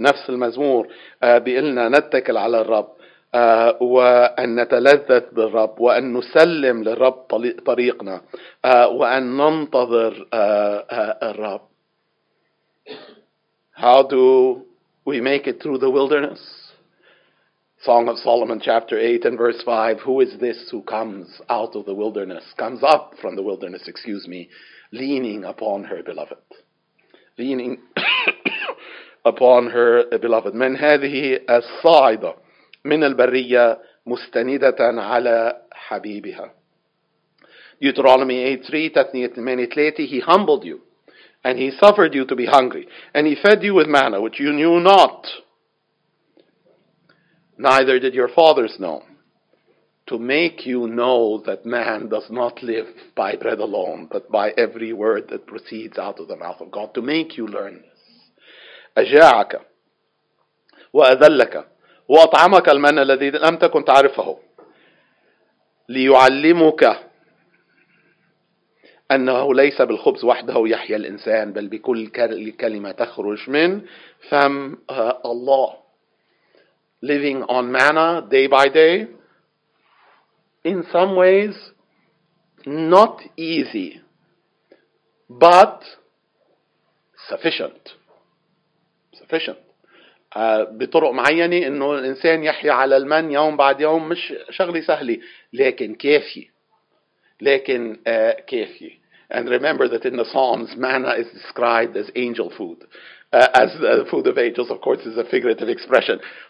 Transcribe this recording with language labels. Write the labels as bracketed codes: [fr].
[ar] نفس المزمور بيقلنا نتكل على الرب وأن نتلذذ بالرب وأن نسلم للرب طريقنا وأن ننتظر الرب. [en] How do we make it through the wilderness? Song of Solomon chapter 8 and verse 5. Who is this who comes out of the wilderness, comes up from the wilderness, excuse me, leaning upon her beloved? Leaning upon her beloved. [ar] من هذه الصاعدة من البرية مستندة على حبيبها. [en] Deuteronomy 8:3 [ar] تثنية 8:3 [en] He humbled you and he suffered you to be hungry and he fed you with manna which you knew not, neither did your fathers know, to make you know that man does not live by bread alone, but by every word that proceeds out of the mouth of God, to make you learn this. [ar] أجاعك وأذلك وأطعمك المن الذي لم تكن تعرفه ليعلمك أنه ليس بالخبز وحده يحيى الإنسان بل بكل كلمة تخرج من فم الله. [en] Living on manna day by day, in some ways, not easy, but sufficient. Sufficient. [ar] بطرق معينة إنه الإنسان يحيى على المن يوم بعد يوم مش شغلة سهلة لكن كافي. لكن كافي. [en] And remember that in the Psalms, manna is described as angel food, as the food of angels, of course, is a figurative expression.